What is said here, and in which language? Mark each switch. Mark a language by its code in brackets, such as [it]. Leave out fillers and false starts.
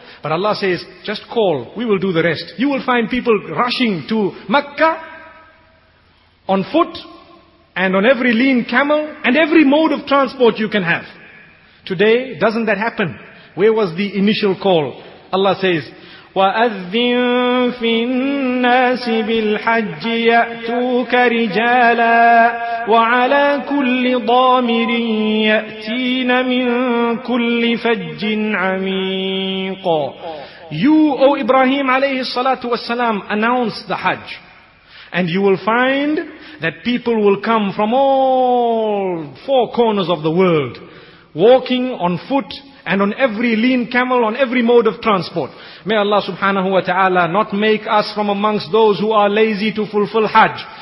[en] But Allah says, just call. We will do the rest. You will find people rushing to Makkah on foot and on every lean camel and every mode of transport you can have. Today, doesn't that happen? Where was the initial call? Allah says, [ar] وَأَذِّن فِي النَّاسِ بِالْحَجِّ يَأْتُوكَ رِجَالًا وَعَلَى كُلِّ ضَامِرٍ يَأْتِينَ مِنْ كُلِّ فَجٍّ عَمِيقًا. [en] You, O Ibrahim alayhi salatu wasalam, announce the Hajj. And you will find that people will come from all four corners of the world, walking on foot, and on every lean camel, on every mode of transport. May Allah subhanahu wa ta'ala not make us from amongst those who are lazy to fulfill Hajj.